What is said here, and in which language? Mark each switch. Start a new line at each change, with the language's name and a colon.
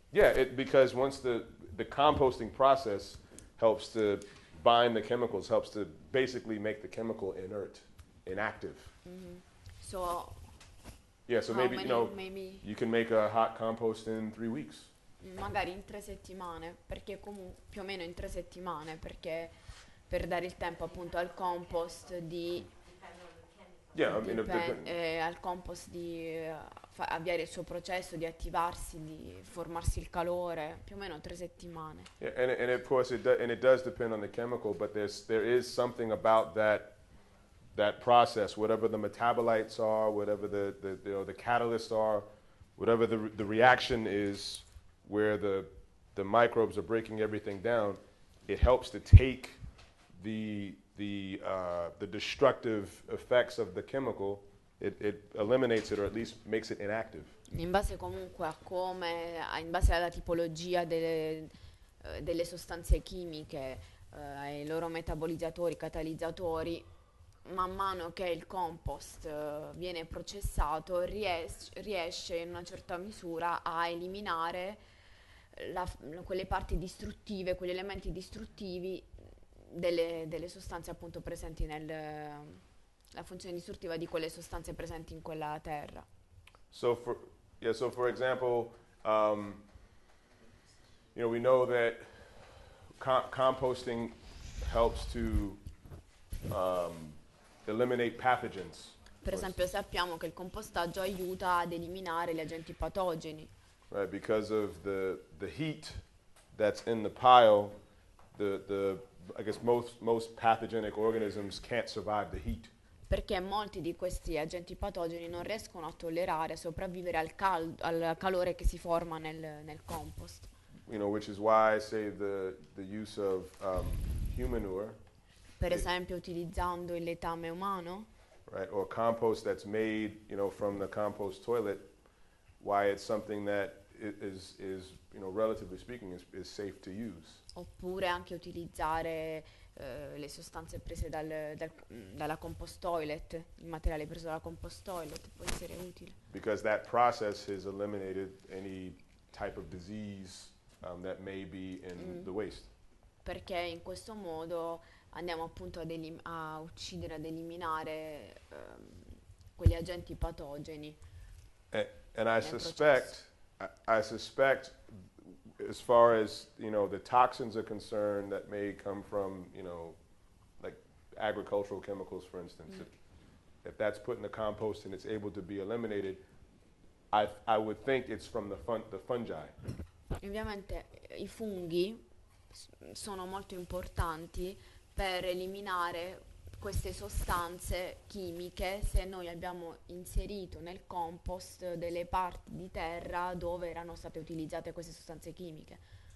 English: Yeah, because once the composting process helps to bind the chemicals, helps to basically make the chemical inert, inactive. Mm-hmm. So, yeah, so maybe, many, you know, maybe you can make a hot compost in 3 weeks.
Italian: Magari in 3 settimane, perché più o meno in 3 settimane, perché per dare il tempo appunto al compost di al compost di avviare il suo processo, di attivarsi, di formarsi il calore, più o meno 3 settimane.
English: Yeah, and of course it does depend on the chemical, but there is something about that process, whatever the metabolites are, whatever the catalysts are, whatever the reaction is, where the the microbes are breaking everything down, it helps to take the destructive effects of the chemical, it eliminates it or at least makes it inactive.
Italian: In base comunque a come, in base alla tipologia delle sostanze chimiche, ai loro metabolizzatori, catalizzatori, man mano che il compost viene processato, riesce in una certa misura a eliminare quelle parti distruttive, quegli elementi distruttivi delle sostanze appunto presenti la funzione distruttiva di quelle sostanze presenti in quella terra.
English: So for example, you know, we know that composting helps to eliminate pathogens.
Italian: Per esempio, sappiamo che il compostaggio aiuta ad eliminare gli agenti patogeni.
English: Right, because of the heat that's in the pile, the I guess most pathogenic organisms can't survive the heat.
Italian: Perché molti di questi agenti patogeni non riescono a tollerare, a sopravvivere al calore che si forma nel compost.
English: You know, which is why I say the use of humanure.
Italian: Per esempio, utilizzando il letame umano.
English: Right, or compost that's made, you know, from the compost toilet. Why it's something that is you know, relatively speaking, is safe to use.
Italian: Oppure anche utilizzare le sostanze prese dalla compost toilet, il materiale preso dalla compost toilet può essere utile.
English: Because that process has eliminated any type of disease that may be in the waste.
Italian: Perché in questo modo andiamo appunto a uccidere, ad eliminare quegli agenti patogeni.
English: And I suspect as far as, you know, the toxins are concerned that may come from, you know, like agricultural chemicals, for instance, if that's put in the compost and it's able to be eliminated, I would think it's from the fungi.
Italian: Ovviamente i funghi sono molto importanti per eliminare queste sostanze chimiche se noi abbiamo inserito nel compost delle parti di terra dove erano state utilizzate queste sostanze chimiche.